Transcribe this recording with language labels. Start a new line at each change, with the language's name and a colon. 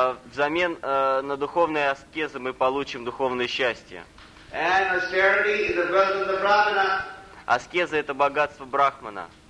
Russian: Взамен на духовные аскезы мы получим духовное счастье.
English: And austerity is the wealth of the Brahmana.
Russian: Аскеза — это богатство Брахмана.